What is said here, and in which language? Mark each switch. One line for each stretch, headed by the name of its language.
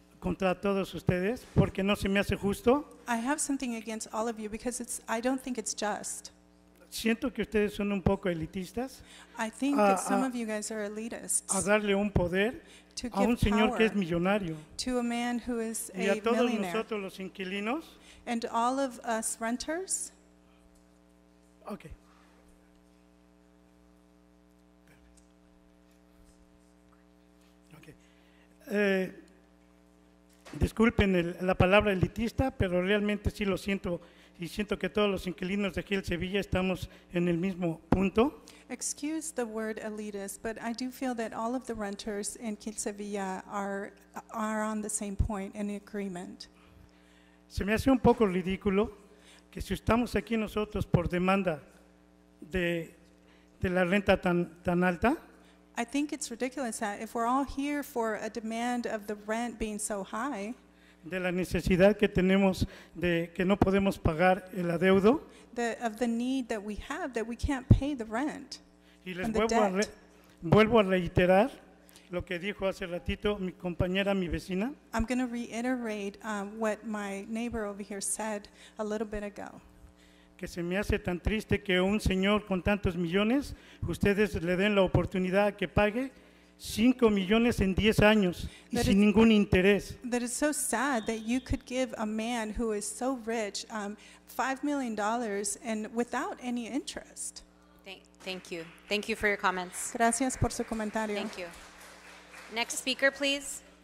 Spanish: Contra todos ustedes, porque no se me hace justo.
English: I have something against all of you because I don't think it's just.
Spanish: Siento que ustedes son un poco elitistas.
English: I think that some of you guys are elitists.
Spanish: A darle un poder a un señor que es millonario.
English: To a man who is a millionaire.
Spanish: Y a todos nosotros los inquilinos.
English: And all of us renters. Okay. Okay.
Spanish: Disculpen la palabra elitista, pero realmente sí lo siento. Y siento que todos los inquilinos de aquí en Sevilla estamos en el mismo punto.
English: Excuse the word elitist, but I do feel that all of the renters in Quil Sevilla are on the same point in agreement.
Spanish: Se me hace un poco ridículo que si estamos aquí nosotros por demanda de la renta tan alta.
English: I think it's ridiculous that if we're all here for a demand of the rent being so high.
Spanish: De la necesidad que tenemos de que no podemos pagar el adeudo.
English: Of the need that we have that we can't pay the rent.
Spanish: Y les vuelvo a reiterar lo que dijo hace ratito mi compañera, mi vecina.
English: I'm going to reiterate what my neighbor over here said a little bit ago.
Spanish: Que se me hace tan triste que un señor con tantos millones, ustedes le den la oportunidad a que pague 5 millones en 10 años y sin ningún interés.
English: That is so sad that you could give a man who is so rich $5 million and without any interest. Thank you. Thank you for your comments.
Spanish: Gracias por su comentario.
English: Thank you. Next speaker, please.